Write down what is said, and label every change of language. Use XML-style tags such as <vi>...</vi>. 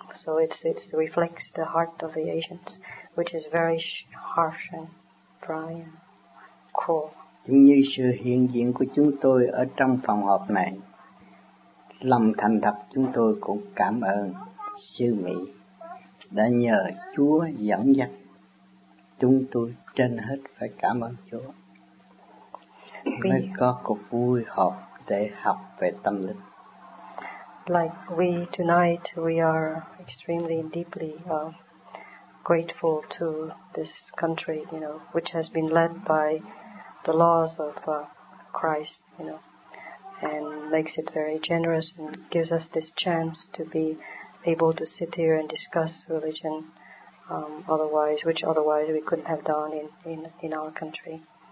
<en>So it reflects the heart of the Asians, which is very harsh and dry and cruel.</en> <vi>Cũng như sự hiện diện của chúng tôi ở trong phòng họp này, lòng thành thật chúng tôi cũng cảm ơn sư Mỹ đã nhờ Chúa dẫn dắt chúng tôi, trên hết phải cảm ơn Chúa mới có cuộc vui họp để học về tâm linh.</vi> <en>Like we tonight, we are extremely and deeply grateful to this country, you know, which has been led by the laws of Christ, you know, and makes it very generous and gives us this chance to be able to sit here and discuss religion, which otherwise we couldn't have done in our country.</en>